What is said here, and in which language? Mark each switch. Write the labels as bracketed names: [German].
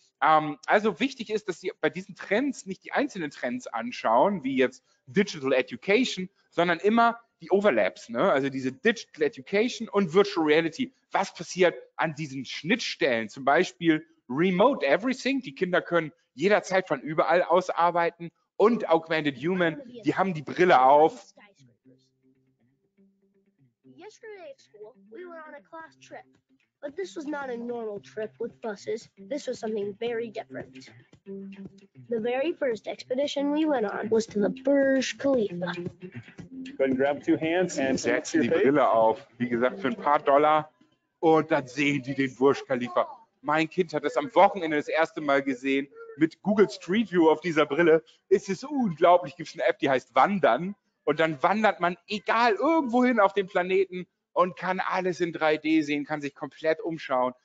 [German] Also wichtig ist, dass Sie bei diesen Trends nicht die einzelnen Trends anschauen, wie jetzt Digital Education, sondern immer die Overlaps, ne? Also diese Digital Education und Virtual Reality. Was passiert an diesen Schnittstellen? Zum Beispiel Remote Everything, die Kinder können jederzeit von überall aus arbeiten, und Augmented Human, die haben die Brille auf. [English] Yesterday at school, we were on a class trip, but this was not a normal trip with buses. This was something very different. The very first expedition we went on was to the Burj Khalifa. Go ahead and grab two hands and [German] set die Brille auf. Wie gesagt, für ein paar Dollar, und dann sehen die den Burj Khalifa. Mein Kind hat das am Wochenende das erste Mal gesehen mit Google Street View auf dieser Brille. Es ist unglaublich. Gibt es eine App, die heißt Wandern. Und dann wandert man egal irgendwohin auf dem Planeten und kann alles in 3D sehen, kann sich komplett umschauen.